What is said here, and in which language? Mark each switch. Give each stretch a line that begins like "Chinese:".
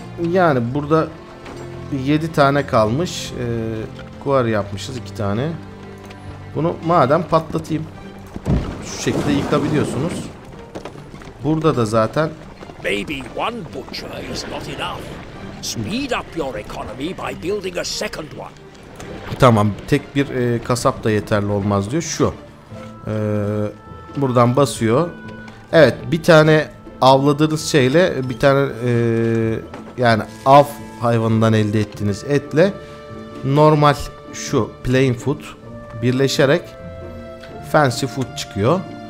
Turkish: Yani burada 7 tane kalmış. Kuvar yapmışız 2 tane. Bunu madem patlatayım. Şu şekilde yıkabiliyorsunuz. Burada da zaten
English: maybe one butcher is not enough. Speed up your economy by building a second one.
Turkish: Tamam, tek bir kasap da yeterli olmaz diyor. Şu. Buradan basıyor. Evet, bir tane avladığınız şeyle bir tane yani av hayvanından elde ettiğiniz etle normal şu
English: plain food
Turkish: birleşerek
English: fancy food
Turkish: çıkıyor.